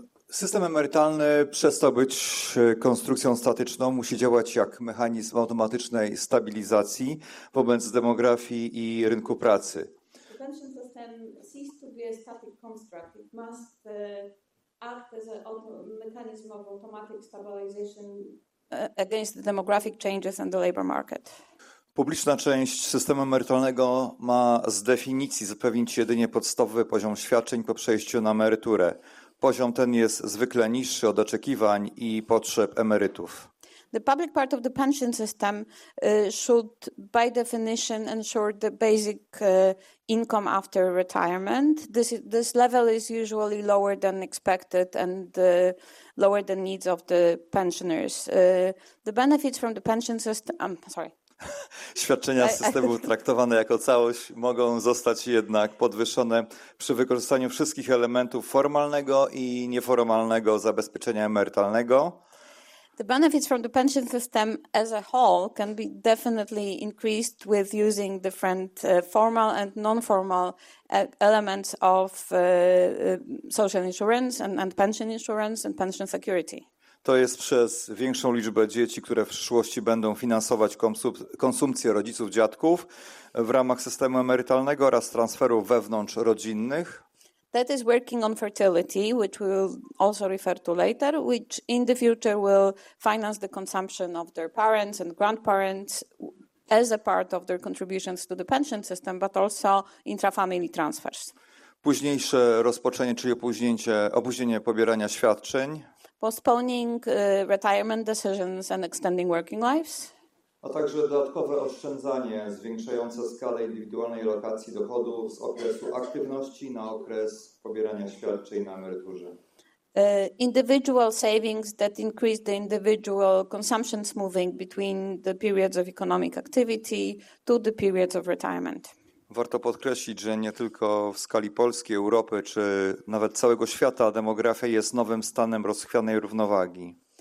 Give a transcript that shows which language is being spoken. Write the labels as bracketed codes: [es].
[pl] System emerytalny przestał być konstrukcją statyczną, musi działać jak mechanizm automatycznej stabilizacji wobec demografii i rynku pracy. [en] The pension system ceased to be a static construct. It must act as a mechanism of automatic stabilization against the demographic changes and the labor market. [pl] Publiczna część systemu emerytalnego ma z definicji zapewnić jedynie podstawowy poziom świadczeń po przejściu na emeryturę. Poziom ten jest zwykle niższy od oczekiwań i potrzeb emerytów. [en] The public part of the pension system should by definition ensure the basic income after retirement. This level is usually lower than expected and lower than needs of the pensioners. The benefits from the pension system, [pl] Świadczenia systemu traktowane jako całość mogą zostać jednak podwyższone przy wykorzystaniu wszystkich elementów formalnego i nieformalnego zabezpieczenia emerytalnego. [en] The benefits from the pension system as a whole can be definitely increased with using different formal and non-formal elements of social insurance and pension insurance and pension security. [pl] To jest przez większą liczbę dzieci, które w przyszłości będą finansować konsumpcję rodziców, dziadków w ramach systemu emerytalnego oraz transferów wewnątrz rodzinnych. [en] That is working on fertility, which we will also refer to later, which in the future will finance the consumption of their parents and grandparents as a part of their contributions to the pension system, but also intra-family transfers. [pl] Późniejsze rozpoczęcie, czyli opóźnienie pobierania świadczeń. [en] Postponing retirement decisions and extending working lives. [pl] A także dodatkowe oszczędzanie zwiększające skalę indywidualnej lokacji dochodu z okresu aktywności na okres pobierania świadczeń na emeryturze. [en] Individual savings that increase the individual consumption moving between the periods of economic activity to the periods of retirement. [pl] Warto podkreślić, że nie tylko w skali Polski, Europy czy nawet całego świata demografia jest nowym stanem rozchwianej równowagi.